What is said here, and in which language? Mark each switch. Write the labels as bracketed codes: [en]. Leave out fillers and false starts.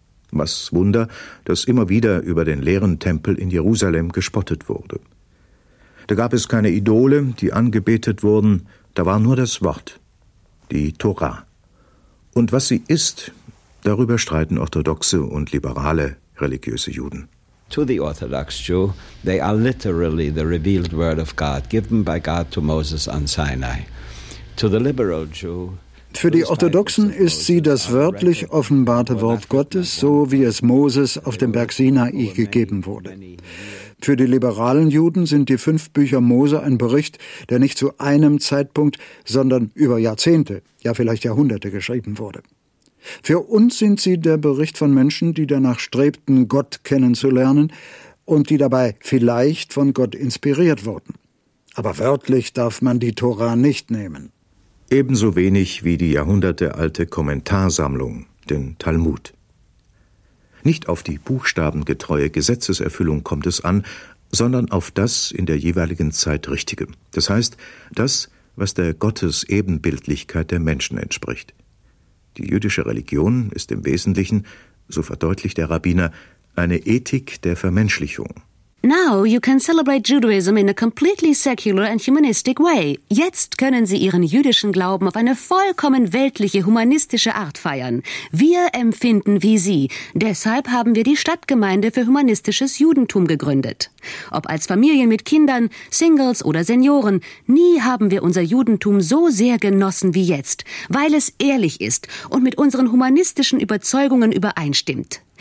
[de] Was Wunder, dass immer wieder über den leeren Tempel in Jerusalem gespottet wurde. Da gab es keine Idole, die angebetet wurden, da war nur das Wort, die Tora. Und was sie ist, darüber streiten orthodoxe und liberale religiöse Juden. [en] To the Orthodox Jew, they are literally the revealed word of God, given by God to Moses on Sinai. To the liberal Jew, [de] für die Orthodoxen ist sie das wörtlich offenbarte Wort Gottes, so wie es Moses auf dem Berg Sinai gegeben wurde. Für die liberalen Juden sind die fünf Bücher Mose ein Bericht, der nicht zu einem Zeitpunkt, sondern über Jahrzehnte, ja vielleicht Jahrhunderte geschrieben wurde. Für uns sind sie der Bericht von Menschen, die danach strebten, Gott kennenzulernen und die dabei vielleicht von Gott inspiriert wurden. Aber wörtlich darf man die Tora nicht nehmen. Ebenso wenig wie die jahrhundertealte Kommentarsammlung, den Talmud. Nicht auf die buchstabengetreue Gesetzeserfüllung kommt es an, sondern auf das in der jeweiligen Zeit Richtige. Das heißt, das, was der Gottesebenbildlichkeit der Menschen entspricht. Die jüdische Religion ist im Wesentlichen, so verdeutlicht der Rabbiner, eine Ethik der Vermenschlichung. [en] Now you can celebrate Judaism in a completely secular and humanistic way. [de] Jetzt können Sie Ihren jüdischen Glauben auf eine vollkommen weltliche, humanistische Art feiern. Wir empfinden wie Sie. Deshalb haben wir die Stadtgemeinde für humanistisches Judentum gegründet. Ob als Familien mit Kindern, Singles oder Senioren, nie haben wir unser Judentum so sehr genossen wie jetzt, weil es ehrlich ist und mit unseren humanistischen Überzeugungen übereinstimmt.